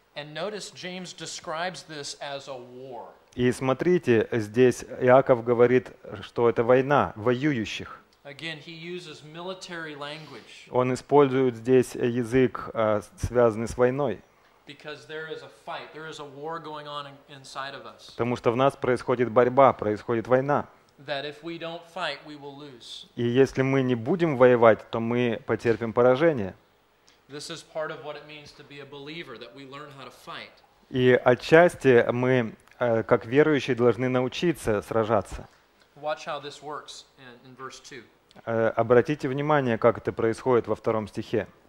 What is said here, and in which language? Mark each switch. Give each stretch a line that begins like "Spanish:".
English: And notice James describes this as a war.
Russian: И смотрите, здесь Иаков говорит, что это война воюющих.
English: Again, he uses military language.
Russian: Он использует здесь язык, связанный с войной.
English: Because there is a fight, there is a war going on inside of us.
Russian: Потому что в нас происходит борьба, происходит война.
English: That if we don't fight, we will lose.
Russian: И если мы не будем воевать, то мы потерпим поражение.
English: This is part of what it means to be a believer, that we learn how to fight.
Russian: И отчасти мы, как верующие, должны научиться сражаться.
English: Watch how this works in verse 2.
Russian: Обратите внимание, как это происходит во втором стихе.